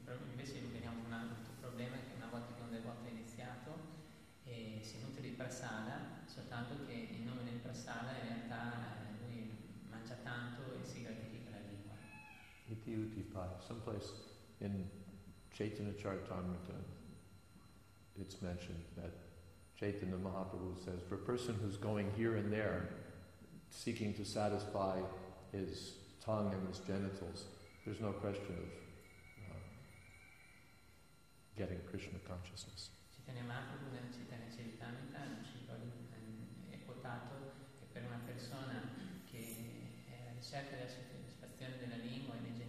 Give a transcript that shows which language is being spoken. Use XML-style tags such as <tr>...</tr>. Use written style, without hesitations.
<it>Invece vediamo un altro problema, che una volta che un devoto è iniziato e si nutre di prasada, soltanto che in nome del prasada in realtà lui mangia tanto e si gratifica.</it> <en>Iti Utipai, someplace in Chaitanya Charitamrita, it's mentioned that Chaitanya Mahaprabhu says, for a person who's going here and there, seeking to satisfy his tongue and his genitals, there's no question of getting Krishna consciousness.</en> <it>Chaitanya Mahaprabhu nel Chaitanya Charitamrita è quotato che per una persona che è alla ricerca della soddisfazione della lingua e</it>